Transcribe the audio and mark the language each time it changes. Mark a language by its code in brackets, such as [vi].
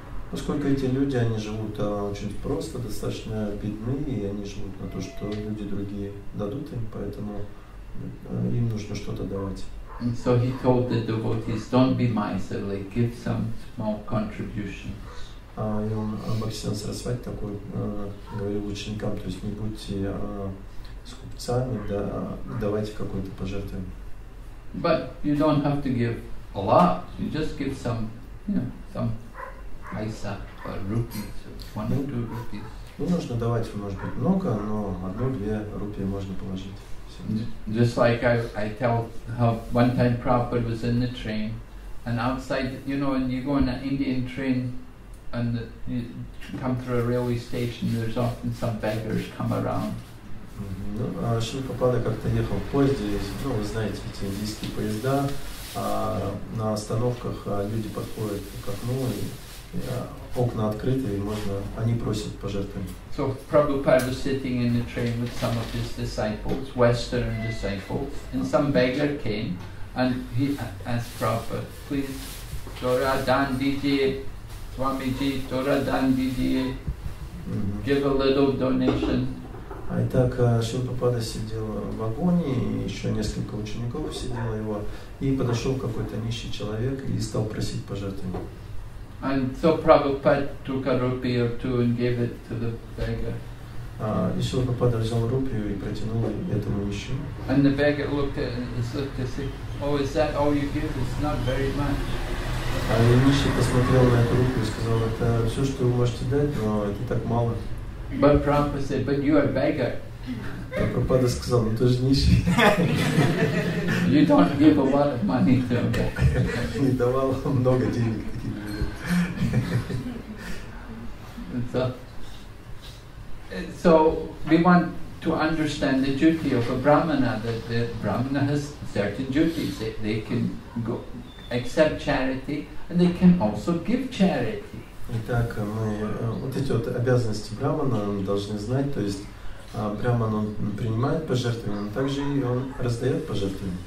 [ru] Поскольку эти люди, они живут очень просто, достаточно бедны, и они живут на то, что люди другие дадут им, поэтому им нужно что-то давать. [en] And so he told the devotees, don't be miserly, give some small contributions. [ru] И он обычно срасывать такой, говорил ученикам, то есть не будьте скупцами, да, давайте какое-то пожертвование. [en] But you don't have to give a lot. You just give some paisa or rupees, one or two rupees. [ru] Не нужно давать, может быть, много, но одну-две рупии можно положить. [en] Just like I tell how one time Prabhupada was in the train, and outside, you know, when you go in an Indian train and you come through a railway station, there's often some beggars come around. [ru] Ну, а Шрила Прабхупада как-то ехал в поезде, ну, вы знаете, эти индийские поезда, а на остановках люди подходят к окну, и окна открыты, и можно, они просят пожертвовать. [en] So Prabhupada was sitting in the train with some of his disciples, Western disciples, and some beggar came, and he asked Prabhupada, please, Dora Dan Didier, Swamiji, Dora Dan Didier, give a little donation. [ru] А итак, Шрила Прабхупада сидел в вагоне, еще несколько учеников сидело его, и подошел какой-то нищий человек и стал просить пожертвования. [en] And so Prabhupada took a rupee or two and gave it to the beggar. [ru] И Шрила Прабхупада взял рупию и протянул этому нищему. [en] And the beggar looked to see, oh, is that all you give? It's not very much. [ru] А нищий посмотрел на эту рупию и сказал, это все, что вы можете дать, но это так мало. [en] But Prabhupada said, but you are a beggar. [ru] Prabhupada сказал, ну ты же нищий. [en] You don't give a lot of money to a beggar. [ru] Не давал много денег таким людям. [en] So we want to understand the duty of a brahmana, that the brahmana has certain duties. They can go accept charity and they can also give charity. [ru] Итак, мы вот эти вот обязанности брахмана должны знать, то есть брахман он принимает пожертвования, но также и он раздает пожертвования.